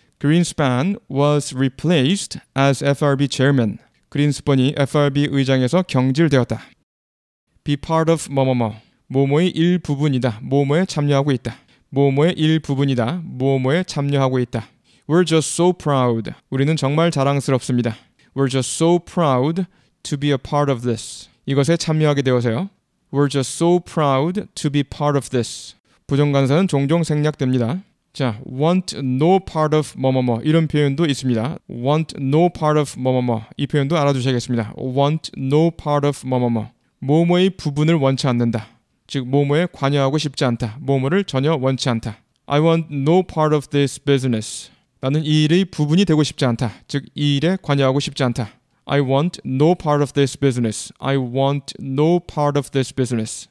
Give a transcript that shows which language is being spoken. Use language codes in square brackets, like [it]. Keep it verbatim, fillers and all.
[en] Greenspan was replaced as 에프알비 chairman. [ko] 그린스펀이 에프알비 의장에서 경질되었다. [en] Be part of [ko] 뭐뭐뭐. 뭐뭐의 일부분이다. 뭐뭐에 참여하고 있다. 뭐뭐의 일부분이다. 뭐뭐에 참여하고 있다. [en] We're just so proud. [ko] 우리는 정말 자랑스럽습니다. [en] We're just so proud to be a part of this. [ko] 이것에 참여하게 되어서요. [en] We're just so proud to be part of this. [ko] 부정간사는 종종 생략됩니다. 자, [en] want no part of [ko] 뭐뭐뭐 이런 표현도 있습니다. [en] want no part of [ko] 뭐뭐뭐 이 표현도 알아두셔야겠습니다. [en] want no part of [ko] 뭐뭐뭐 뭐뭐의 부분을 원치 않는다. 즉, 뭐뭐에 관여하고 싶지 않다. 뭐뭐를 전혀 원치 않다. [en] I want no part of this business. [ko] 나는 이 일의 부분이 되고 싶지 않다. 즉, 이 일에 관여하고 싶지 않다. [en] I want no part of this business. I want no part of this business.